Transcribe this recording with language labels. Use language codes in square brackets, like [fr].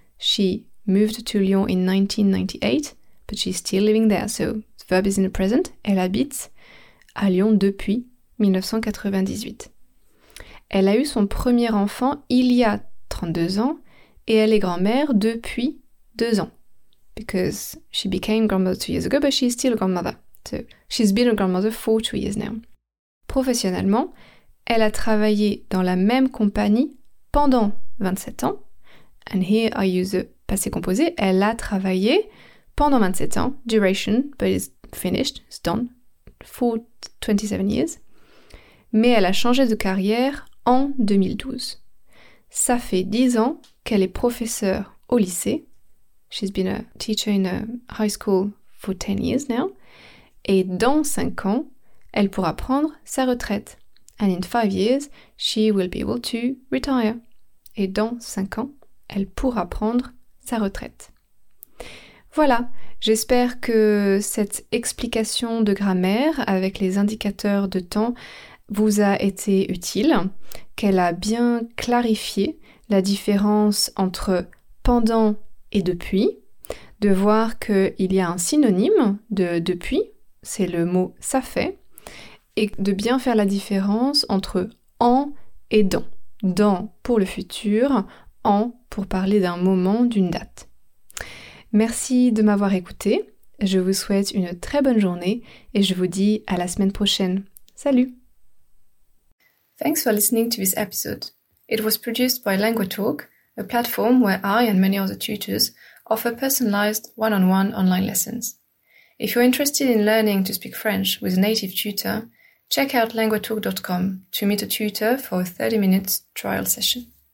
[en] She moved to Lyon in 1998, but she's still living there. So the verb is in the present. [fr] Elle habite à Lyon depuis 1998. Elle a eu son premier enfant il y a 32 ans et elle est grand-mère depuis 2 ans. [en] Because she became grandmother 2 years ago, but she's still a grandmother. So she's been a grandmother for 2 years now. [fr] Professionnellement, elle a travaillé dans la même compagnie pendant 27 ans. [en] And here I use the passé composé. [fr] Elle a travaillé pendant 27 ans. [en] Duration, but it's finished, it's done. For 27 years. [fr] Mais elle a changé de carrière en 2012. Ça fait 10 ans qu'elle est professeure au lycée. [en] She's been a teacher in a high school for 10 years now. [fr] Et dans 5 ans, elle pourra prendre sa retraite. [en] And in 5 years, she will be able to retire. [fr] Et dans 5 ans, elle pourra prendre sa retraite. Voilà, j'espère que cette explication de grammaire avec les indicateurs de temps vous a été utile, qu'elle a bien clarifié la différence entre pendant et depuis, de voir qu'il y a un synonyme de depuis, c'est le mot ça fait, et de bien faire la différence entre en et dans. Dans pour le futur, en pour parler d'un moment, d'une date. Merci de m'avoir écouté, je vous souhaite une très bonne journée et je vous dis à la semaine prochaine. Salut! [en] Thanks for listening to this episode. It was produced by LanguageTalk, a platform where I and many other tutors offer personalized one-on-one online lessons. If you're interested in learning to speak French with a native tutor, check out LanguageTalk.com to meet a tutor for a 30-minute trial session.